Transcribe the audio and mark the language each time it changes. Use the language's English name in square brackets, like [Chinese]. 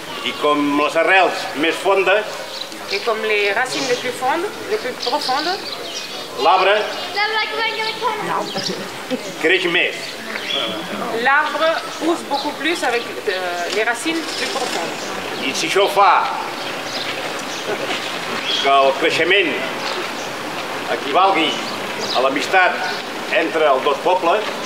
[Catalan] I com les arrels més fondes... I com [French] les racines les plus fondes, les plus profondes... [Catalan] L'arbre... creix més. [French] L'arbre pousse beaucoup plus avec les racines plus profondes. [Catalan] I si això fa que el creixement equivalgui a l'amistat entre els dos pobles...